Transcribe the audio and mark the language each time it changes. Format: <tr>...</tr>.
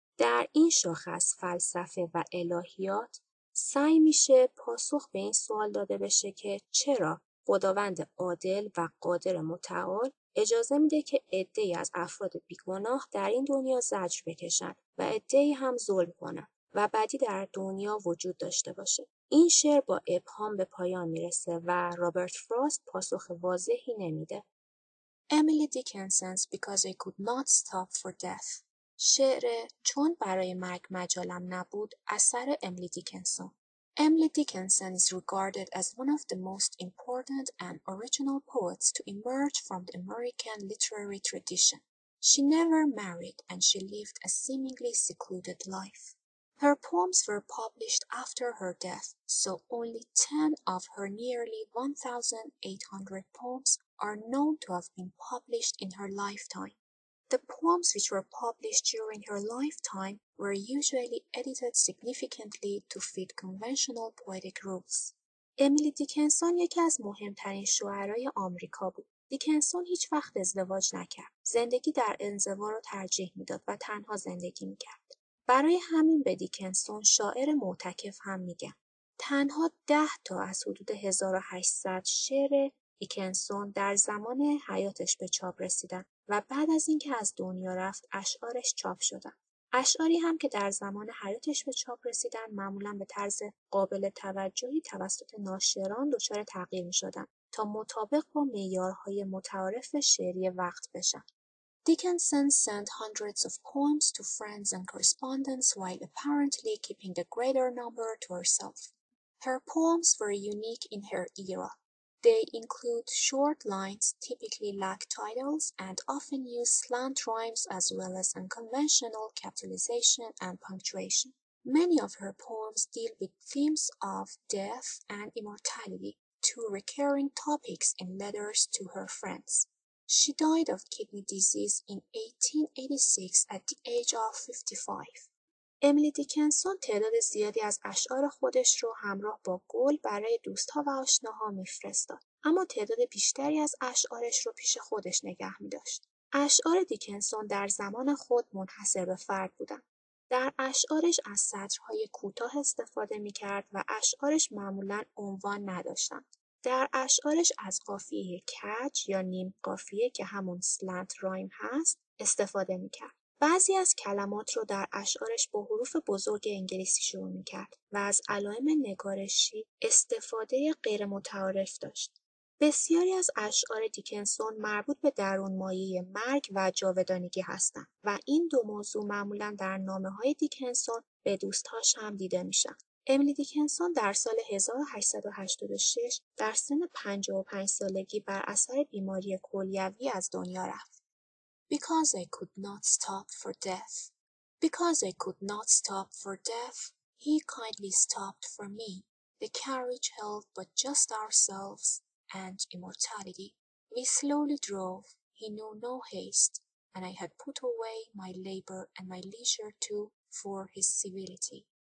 <fa>در این شاخه از فلسفه و الهیات سعی میشه پاسخ به این سوال داده بشه که چرا خداوند عادل و قادر متعال اجازه میده که عده‌ای از افراد بیگناه در این دنیا زجر بکشن و عده‌ای هم ظلم کنن و بدی در دنیا وجود داشته باشه. این شعر با ابهام به پایان میرسه و رابرت فراست پاسخ واضحی نمیده.</fa> <en>Emily Dickinson's Because I Could Not Stop For Death.</en> <fa>شعر چون برای مرگ مجالم نبود اثر امیلی دیکنسون.</fa> <en>Emily Dickinson is regarded as one of the most important and original poets to emerge from the American literary tradition. She never married and she lived a seemingly secluded life. Her poems were published after her death, so only 10 of her nearly 1,800 poems are known to have been published in her lifetime. The poems which were published during her lifetime were usually edited significantly to fit conventional poetic rules.</en> <fa>امیلی دیکنسون یکی از مهمترین شعرای آمریکا بود. دیکنسون هیچ وقت ازدواج نکرد. زندگی در انزوا را ترجیح می‌داد و تنها زندگی می‌کرد. برای همین به دیکنسون شاعر معتکف هم میگن. تنها 10 تا از حدود 1800 شعر دیکنسون در زمان حیاتش به چاپ رسیدن و بعد از اینکه از دنیا رفت اشعارش چاپ شدن. اشعاری هم که در زمان حیاتش به چاپ رسیدن معمولا به طرز قابل توجهی توسط ناشران دچار تغییر میشدن تا مطابق با معیارهای متعارف شعری وقت بشن.</fa> <en>Dickinson sent hundreds of poems to friends and correspondents while apparently keeping the greater number to herself. Her poems were unique in her era. They include short lines, typically lack titles, and often use slant rhymes as well as unconventional capitalization and punctuation. Many of her poems deal with themes of death and immortality, two recurring topics in letters to her friends. She died of kidney disease in 1886 at the age of 55.</en> <fa>امیلی دیکنسون تعداد زیادی از اشعار خودش رو همراه با گل برای دوست‌ها و آشناها می‌فرستاد، اما تعداد بیشتری از اشعارش رو پیش خودش نگه می‌داشت. اشعار دیکنسون در زمان خود منحصر به فرد بودند. در اشعارش از سطرهای کوتاه استفاده می‌کرد و اشعارش معمولاً عنوان نداشتند. در اشعارش از قافیه کج یا نیم قافیه که همون سلنت رایم هست استفاده میکرد. بعضی از کلمات رو در اشعارش با حروف بزرگ انگلیسی شروع میکرد و از علائم نگارشی استفاده غیر متعارف داشت. بسیاری از اشعار دیکنسون مربوط به درون مایه مرگ و جاودانگی هستند و این دو موضوع معمولا در نامه های دیکنسون به دوستاش هم دیده میشن. امیلی دیکنسون در سال 1886 در سن 55 سالگی بر اثر بیماری کلیوی از دنیا رفت.</fa> <en>Because I could not stop for death. Because I could not stop for death, he kindly stopped for me. The carriage held but just ourselves and immortality. We slowly drove, he knew no haste, and I had put away my labor and my leisure too for his civility.</en>